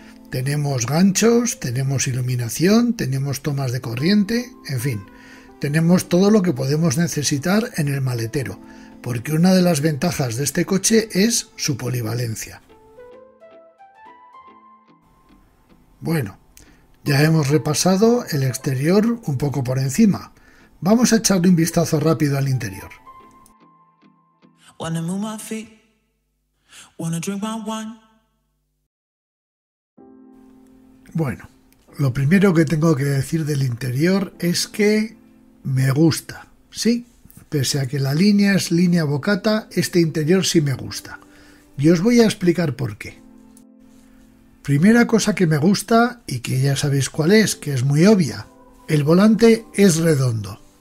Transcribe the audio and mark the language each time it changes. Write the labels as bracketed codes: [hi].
[es] Tenemos ganchos, tenemos iluminación, tenemos tomas de corriente, en fin, tenemos todo lo que podemos necesitar en el maletero, porque una de las ventajas de este coche es su polivalencia. Bueno, ya hemos repasado el exterior un poco por encima. Vamos a echarle un vistazo rápido al interior. [en] Wanna move my feet, wanna drink my wine. [es] Bueno, lo primero que tengo que decir del interior es que me gusta, ¿sí? Pese a que la línea es línea bocata, este interior sí me gusta. Y os voy a explicar por qué. Primera cosa que me gusta, y que ya sabéis cuál es, que es muy obvia, el volante es redondo.